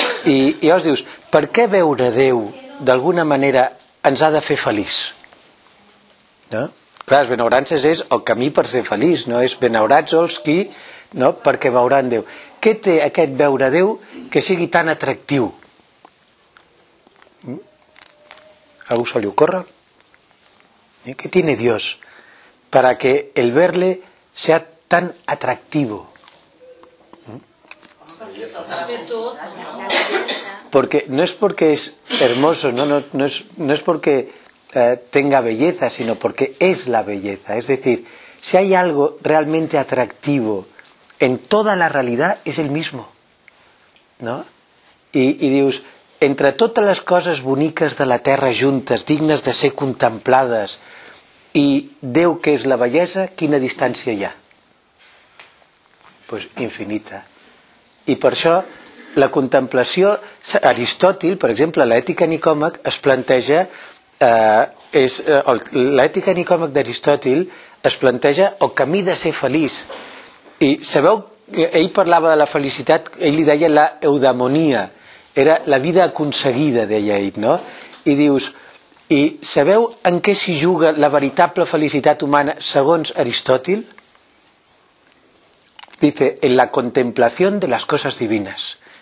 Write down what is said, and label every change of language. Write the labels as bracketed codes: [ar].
[ca] I llavors dius, per què veure Déu d'alguna manera ens ha de fer feliç? No? Clar, les benaurances és el camí per ser feliç, no? És benaurats els qui, no? Perquè veuran Déu. Què té aquest veure Déu que sigui tan atractiu? ¿Algú se li ocorre? [es] ¿Qué tiene Dios para que el verle sea tan atractivo? Porque no es porque es hermoso, no es porque tenga belleza, sino porque es la belleza. Es decir, si hay algo realmente atractivo en toda la realidad, es el mismo. ¿No? Y Dios... [ca] Entre totes les coses boniques de la Terra juntes, dignes de ser contemplades, i Déu que és la bellesa, quina distància hi ha? [es] Pues infinita. [ca] I per això la contemplació, Aristòtil, per exemple, l'ètica Nicòmac es planteja, l'ètica Nicòmac d'Aristòtil es planteja el camí de ser feliç. I sabeu, ell parlava de la felicitat, ell li deia la eudamonia, era la vida aconseguida, deia ell, no? I dius, i sabeu en què s'hi juga la veritable felicitat humana segons Aristòtil? [es] Dice, en la contemplación de las cosas divinas.